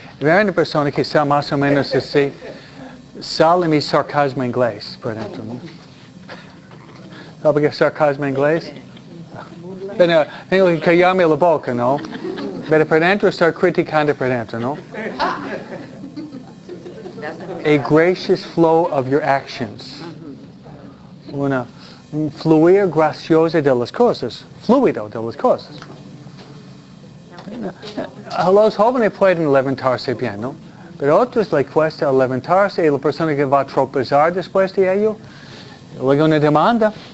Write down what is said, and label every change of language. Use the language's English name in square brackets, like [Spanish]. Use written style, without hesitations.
[Spanish] Ver una persona que sabe más o menos así, sale mi sarcasmo inglés, por ejemplo. ¿Sabe qué es sarcasmo inglés? Tengo que callarme la boca, ¿no? Pero por dentro estoy criticando por dentro, ¿no? [English] A gracious flow of your actions. [Spanish] Una fluir graciosa de las cosas. Fluido de las cosas. Los jóvenes pueden levantarse bien, ¿no? Pero otros le cuesta levantarse y la persona que va a tropezar después de ello. Luego una demanda.